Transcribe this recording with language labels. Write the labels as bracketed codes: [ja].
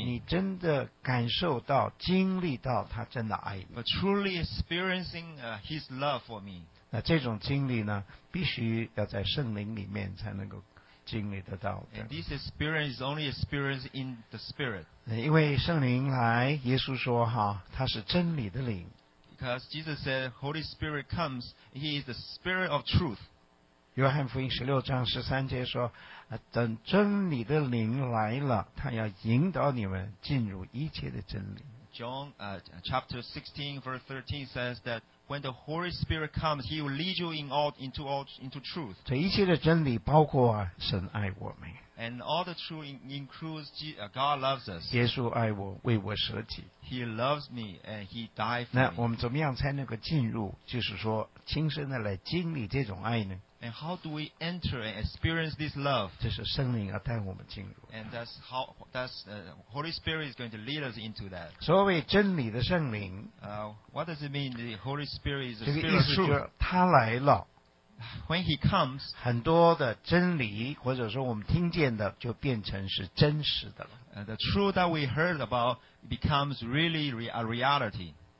[zh] 你真的感受到、经历到他真的爱你。 [en] But truly experiencing His love for me. [zh] 那这种经历呢，必须要在圣灵里面才能够经历得到的。 [en] And this experience is only experienced in the Spirit. [zh] 因为圣灵来，耶稣说哈，他是真理的灵。 [en] Because Jesus said, Holy Spirit comes, He is the Spirit of Truth. [zh] 约翰福音十六章十三节说，等真理的灵来了，他要引导你们进入一切的真理。 [en] John chapter 16 verse 13 says that. When the Holy Spirit comes, He will lead you in all, into all, into truth. [zh] 这一切的真理包括神爱我们。 [en] And all the truth includes God loves us. [zh] 耶稣爱我，为我舍己。 [en] He loves me and He died for me. [zh] 那我们怎么样才能够进入，就是说亲身的来经历这种爱呢？ [en] And how do we enter and experience this love? [zh] 这是圣灵要带我们进入。 [en] And that's how, that's, Holy Spirit is going to lead us into that. [zh] 所谓真理的圣灵。 [en] What does it mean the Holy Spirit is the Spirit of truth? [zh] 这个意思就是他来了。 [en] When He comes, [zh] 很多的真理或者说我们听见的就变成是真实的了。 [en] The truth that we heard about becomes really a reality.